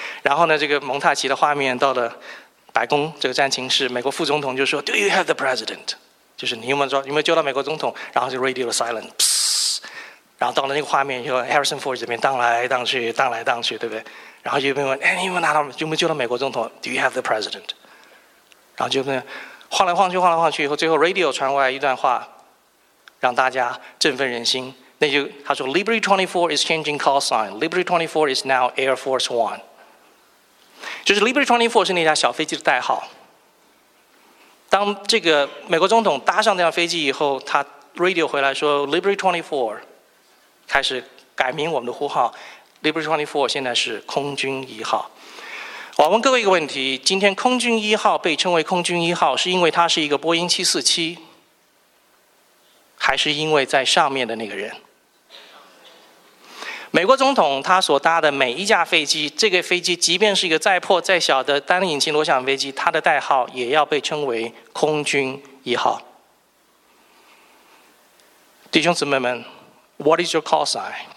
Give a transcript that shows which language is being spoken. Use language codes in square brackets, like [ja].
[zh] 然后呢，这个蒙太奇的画面到了白宫这个战情室，美国副总统就说 [en] Do you have the president， [zh] 就是你有没有救到美国总统，然后就 radio silent。然后到了那个画面以后 ，Harrison Ford 这边荡来荡去，荡来荡去，对不对？然后就被问：“哎，你有没有拿到？有没有救到美国总统 ？ [en] Do you have the president？” [zh] 然后就问，晃来晃去，晃来晃去以后，最后 radio 传过来一段话，让大家振奋人心。那就他说 ：“ [en] Liberty 24 is changing call sign. Liberty 24 is now Air Force One。” [zh] 就是 Liberty 24是那架小飞机的代号。当这个美国总统搭上这架飞机以后，他 radio 回来说 ：“Liberty 24。” 开始改名我们的呼号 Liberty 24， 现在是空军一号。我问各位一个问题，今天空军一号被称为空军一号，是因为它是一个波音747，还是因为在上面的那个人？美国总统他所搭的每一架飞机，这个飞机即便是一个再破再小的单引擎螺旋飞机，它的代号也要被称为空军一号。弟兄姊妹们， [en] What is your call sign?